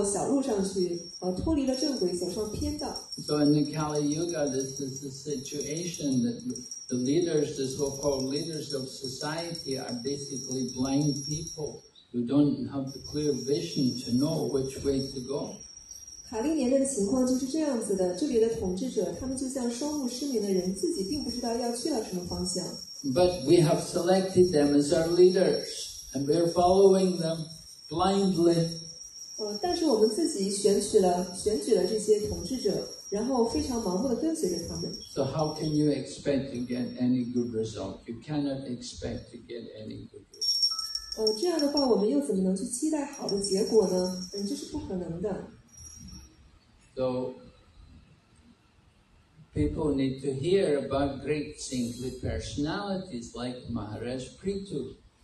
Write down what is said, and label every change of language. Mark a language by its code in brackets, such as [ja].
[zh] 如果一个人他是眼睛失明的，他就会走到小路上去，脱离了正轨，走上偏道。 [en] So in the Kali Yuga, this is the situation that the leaders, the so-called leaders of society, are basically blind people who don't have the clear vision to know which way to go. But we have selected them as our leaders, and we are following them blindly. [zh] 但是我们自己选举了这些统治者。然后非常盲目地跟随着他们。 [en] So how can you expect to get any good result? You cannot expect to get any good result. [zh] 这样的话我们又怎么能去期待好的结果呢? 这是不可能的。 [en] So people need to hear about great saintly personalities like Maharaj Prithu.